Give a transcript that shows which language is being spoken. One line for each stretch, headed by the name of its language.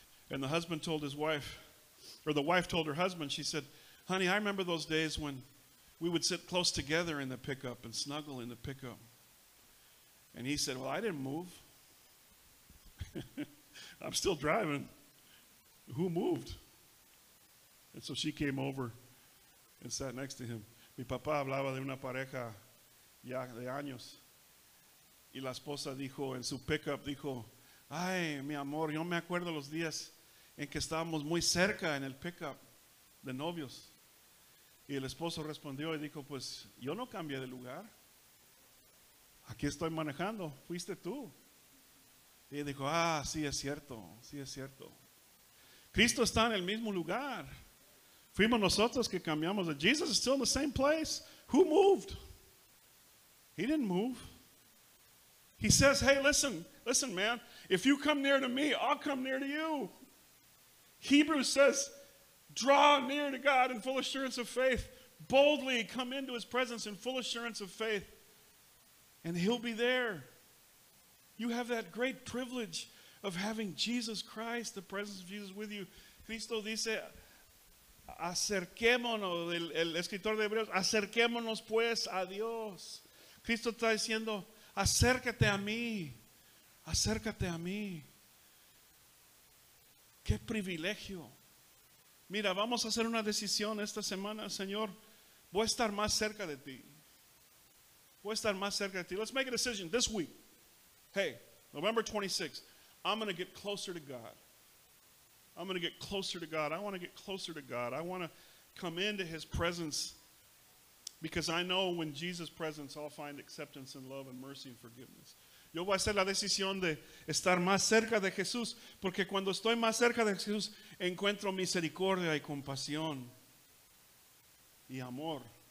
English: And the husband told his wife, or the wife told her husband, she said, honey, I remember those days when we would sit close together in the pickup and snuggle in the pickup. And he said, well, I didn't move. I'm still driving. Who moved? And so she came over and sat next to him.
Spanish: Mi papá hablaba de una pareja ya de años. Y la esposa dijo, en su pickup, dijo, ay, mi amor, yo me acuerdo los días en que estábamos muy cerca en el pickup de novios. Y el esposo respondió y dijo, pues, yo no cambié de lugar. Aquí estoy manejando. Fuiste tú. Y dijo, ah, sí es cierto. Sí es cierto. Cristo está en el mismo lugar. Fuimos nosotros que cambiamos.
English: Jesus is still in the same place. Who moved? He didn't move. He says, hey, listen. Listen, man. If you come near to me, I'll come near to you. Hebrews says, draw near to God in full assurance of faith. Boldly come into his presence in full assurance of faith. And he'll be there. You have that great privilege of having Jesus Christ, the presence of Jesus with you.
Spanish: Cristo dice, acerquémonos, el escritor de Hebreos, acerquémonos pues a Dios. Cristo está diciendo, acércate a mí. Acércate a mí. Qué privilegio. Mira, vamos a hacer una decisión esta semana, Señor. Voy a estar más cerca de ti. Voy a estar más cerca de ti.
English: Let's make a decision this week. Hey, November 26th, I'm going to get closer to God. I'm going to get closer to God. I want to get closer to God. I want to come into his presence because I know when Jesus' presence, I'll find acceptance and love and mercy and forgiveness.
Spanish: Yo voy a hacer la decisión de estar más cerca de Jesús, porque cuando estoy más cerca de Jesús, encuentro misericordia y compasión y amor.